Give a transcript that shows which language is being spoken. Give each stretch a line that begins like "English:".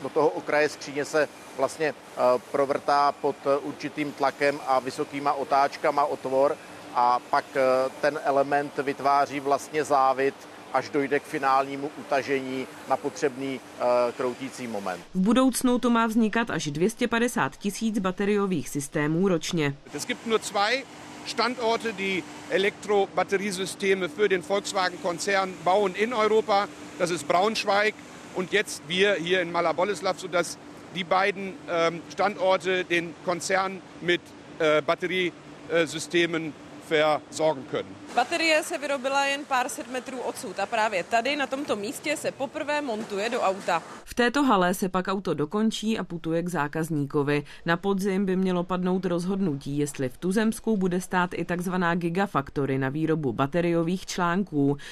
Czech: Do toho okraje skříně se vlastně provrtá pod určitým tlakem a vysokýma otáčkama otvor a pak ten element vytváří vlastně závit, až dojde k finálnímu utažení na potřebný kroutící moment. V budoucnu to má vznikat až 250 tisíc bateriových systémů ročně.
German: Es gibt nur zwei Standorte, die Elektrobatteriesysteme für den Volkswagen-Konzern bauen in Europa. Das ist Braunschweig und jetzt wir hier in Mala-Boleslav, sodass die beiden Standorte den Konzern mit Batteriesystemen versorgen können.
Czech: Baterie se vyrobila jen pár set metrů odsud a právě tady na tomto místě se poprvé montuje do auta. V této hale se pak auto dokončí a putuje k zákazníkovi. Na podzim by mělo padnout rozhodnutí, jestli v tuzemsku bude stát i takzvaná gigafaktory na výrobu bateriových článků.